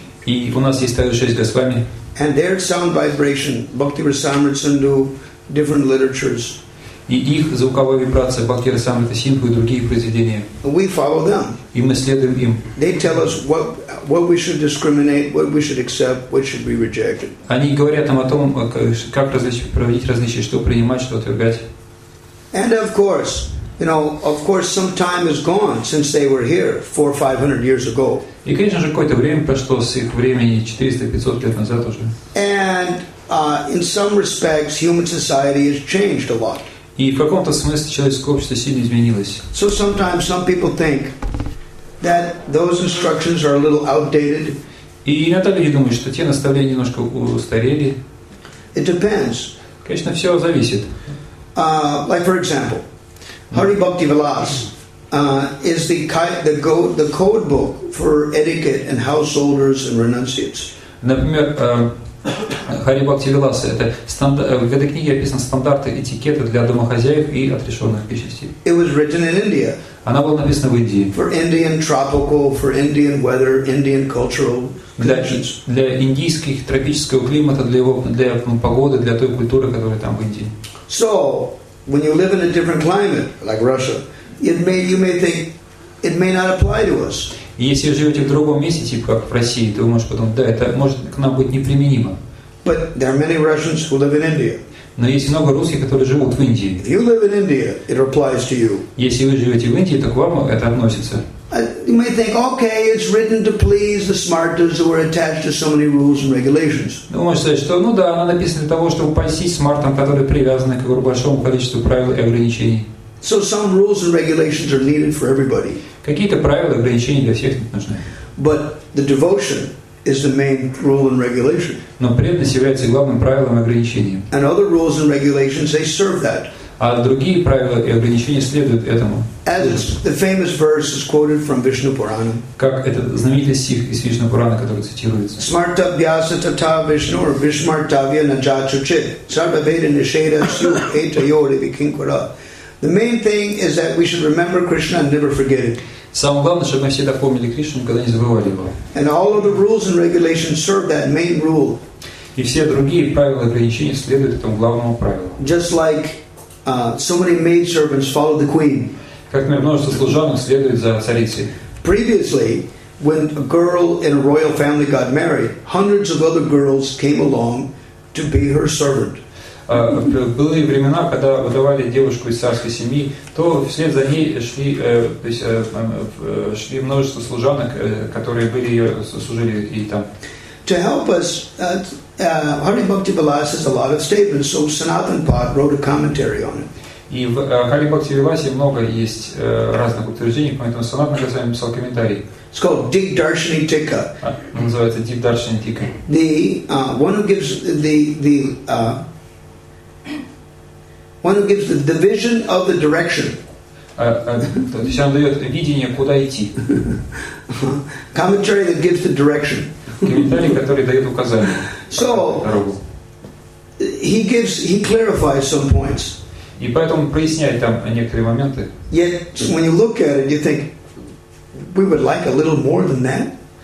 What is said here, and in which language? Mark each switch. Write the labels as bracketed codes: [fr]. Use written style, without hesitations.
[ru] И у нас есть также шесть Госвами. [en] And their sound vibration, Bhakti Rasamrita Sindhu, different literatures. [ru] И их звуковая вибрация, Бхакти Расамрита Синдху и другие произведения. [en] We follow them. [ru] И мы следуем им. [en] They tell us what we should discriminate, what we should accept, what should be rejected. [ru] Они говорят нам о том, как проводить различия, что принимать, что отвергать. [en] And of course, you know, of course, some time is gone since they were here 400-500 years ago. [ru] И, конечно же, какое-то время прошло с их времени 400-500 лет назад уже. [en] And in some respects, human society has changed a lot. [ru] И в каком-то смысле человеческое общество сильно изменилось. [en] So sometimes some people think that those instructions are a little outdated. [ru] И иногда люди думают, что те наставления немножко устарели. [en] It depends. [ru] Конечно, все зависит. [en] Like for example, Hari Bhakti Vilas is the code book for etiquette and householders and renunciates. [ru] Например, Хари Бхакти Вилас, это в этой книге описаны стандарты этикета для домохозяев и отрешенных личностей. [en] It was written in India. [ru] Она была написана в Индии. [en] For Indian tropical, for Indian weather, Indian cultural conditions. [ru] Для индийских тропического климата, для погоды, для той культуры, которая там в Индии. [en] So, when you live in a different climate, like Russia, you may think it may not apply to us. [ru] Если вы живете в другом месте, типа как в России, то вы можете подумать, да, это может к нам быть неприменимо. [en] But there are many Russians who live in India. [ru] Но есть много русских, которые живут в Индии. [en] If you live in India, it applies to you. [ru] Если вы живете в Индии, то к вам это относится. [en] You may think, okay, it's written to please the smartas who are attached to so many rules and regulations. [ru] Вы можете сказать, что, ну да, она написана для того, чтобы польстить смартам, которые привязаны к большому количеству правил и ограничений. [en] So some rules and regulations are needed for everybody. [ru] Какие-то правила, ограничения для всех нужны. [en] But the devotion is the main rule and regulation. [ru] Но преданность является главным правилом и ограничением. [en] And other rules and regulations, they serve that. [ru] А другие правила и ограничения следуют этому. [en] As the famous verse is quoted from Vishnu Purana. [ru] Как этот знаменитый стих из Вишну Пурана, который цитируется. [sa] Smarta vyasa tata Vishnu or Vishmartavya najachuchit sarva veda nisheda su eta yori vikinkura. [en] The main thing is that we should remember Krishna and never forget it. [ru] Самое главное, чтобы мы всегда помнили Кришну, никогда не забывали его. [en] And all of the rules and regulations serve that main rule. [ru] И все другие правила и ограничения следуют этому главному правилу. [en] Just like so many maid servants follow the queen. [ru] Как множество служанок следует за царицей. [en] Previously, when a girl in a royal family got married, hundreds of other girls came along to be her servant. [ru] Были времена, когда выдавали девушку из царской семьи, то вслед за ней шли, то есть, шли множество служанок, которые были ее служили ей там. [en] To help us, Hari Bhakti Vilas has a lot of statements, so Sanatan Pat wrote a commentary on it. [ru] И в Hari Bhakti Vilas много есть разных утверждений, поэтому Санатан Гасвами написал комментарий. [en] It's called Deep Darshini Tikka. [ru] Называется Deep Darshini Tikka. [en] The one who gives the vision of the direction. [ru] Он дает видение, куда идти. [en] Commentary that gives the direction. [ru] Комментарий, который дает указание. [en] So, [ru] дорогу. [en] He clarifies some points. [ru] И поэтому проясняет там некоторые моменты. [en] Yet, when you look at it, you think, we would like a little more than that.